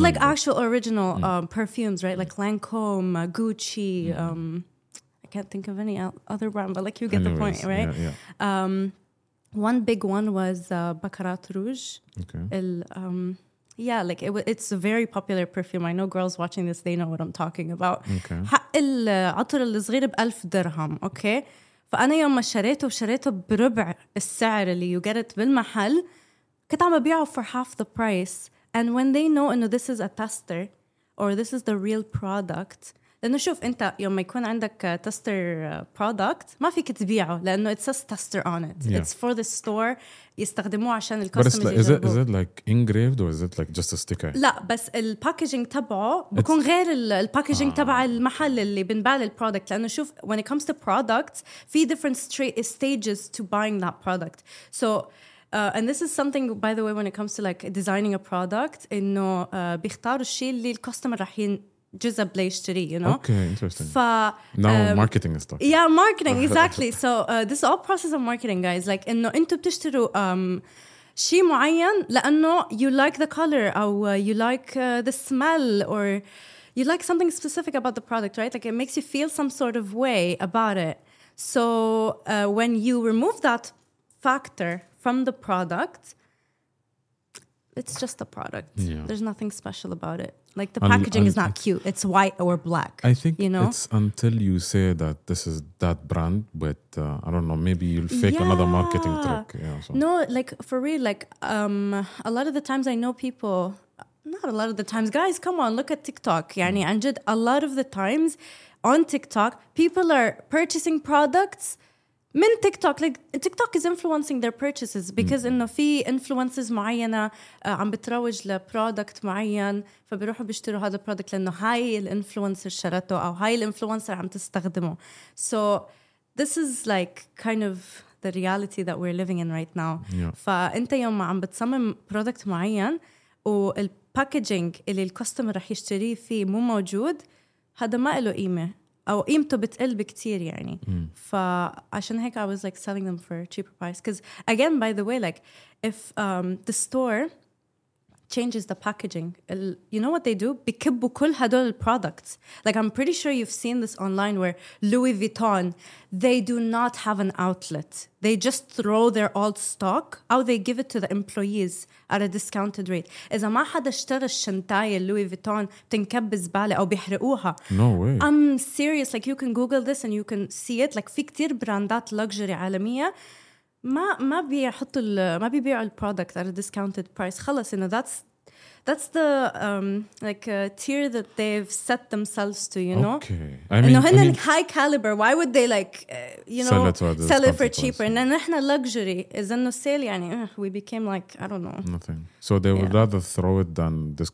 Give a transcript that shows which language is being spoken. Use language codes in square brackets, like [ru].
[en] like actual original perfumes right like Lancome, Gucci I can't think of any other brand but like you get the point right One big one was Baccarat Rouge. Okay. Yeah, like it's a very popular perfume. I know girls watching this, they know what I'm talking about. Okay. [ar] العطر الصغير ب 1000 درهم، اوكي؟ فأنا يوم ما شريته وشريته بربع السعر اللي [en] you get it [ar] بالمحل كنت عم ببيعه [en] for half the price. And when they know انه this is a tester or this is the real product, [ar] لأنه شوف أنت يوم ما يكون عندك تستر [en] product [ar] ما فيك تبيعه لأنه [en] it says tester on it. Yeah. It's for the store [ar] يستخدموه عشان ال [en] customers. Like, is it like engraved or is it like just a sticker? [ar] لا بس ال packaging تبعه بكون غير ال packaging تبع المحل اللي بنباع ال product لأنه شوف [en] when it comes to products [ar] في [en] different stages to buying that product. So and this is something by the way when it comes to like designing a product [ar] إنه بيختار الشيء اللي ال [en] customer [ar] راح جزء بليشتري, [en] you know? Okay, interesting. Now marketing is talking. Yeah, marketing, exactly. So this is all process of marketing, guys. Like, [ar] إنه أنتوا بتشتروا شيء معين لأنه [en] you like the color أو you like the smell or you like something specific about the product, right? Like, it makes you feel some sort of way about it. So when you remove that factor from the product, it's just a product. Yeah. There's nothing special about it. Like the packaging is not cute. It's white or black. I think you know? It's until you say that this is that brand, but I don't know, maybe you'll fake another marketing trick. Yeah, so. No, like for real, like a lot of the times I know people, not a lot of the times, guys, come on, look at TikTok. [ar] يعني عنجد, [en] a lot of the times on TikTok, people are purchasing products من TikTok. Like TikTok is influencing their purchases because [ar] إنه في influencers معينة عم بتروج لproduct معين فبروحوا بيشتروا هذا product لأنه هاي الinfluencer شرته أو هاي الinfluencer عم تستخدمه. [en] So this is like kind of the reality that we're living in right now. Yeah. [ar] فأنت يوم ما عم بتصمم product معين والpackaging اللي الcustomer رح يشتري فيه مو موجود هذا ما إله قيمة أو قيمته بتقل بكتير يعني فعشان هيك [en] I was like selling them for a cheaper price because again by the way like if the store changes the packaging. You know what they do? [ar] بيكبوا كل هدول البرودكتس. [en] Like I'm pretty sure you've seen this online where Louis Vuitton, they do not have an outlet. They just throw their old stock or they give it to the employees at a discounted rate. [ar] إذا ما حدا اشترى الشنطاية Louis Vuitton تنكب زبالة أو بيحرقوها. [en] No way. I'm serious. Like you can Google this and you can see it. [ar] Like في كتير براندات لوكسجري عالمية ما بيحط ما بيبيعوا البرودكت [en] at a discounted price. [ar] خلص, [en] you know, that's the like tier that they've set themselves to, you know. Okay. I mean, high caliber, why would they like you know sell it for cheaper price. And then luxury is in the sale, يعني, we became like I don't know nothing, so they would rather throw it than discount.